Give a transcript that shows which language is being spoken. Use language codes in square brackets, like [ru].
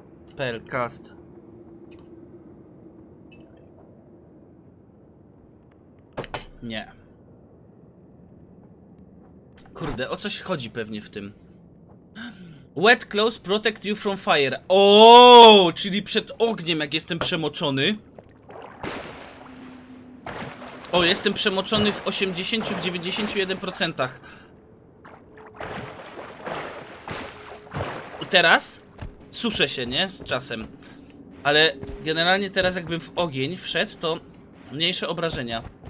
[en] Spellcast. [pl] Nie. Kurde, o coś chodzi pewnie w tym. [en] Wet clothes protect you from fire. [pl] O, czyli przed ogniem, jak jestem przemoczony. O, jestem przemoczony w 80, w 91%. I teraz suszę się, nie? Z czasem. Ale generalnie teraz jakbym w ogień wszedł, to mniejsze obrażenia.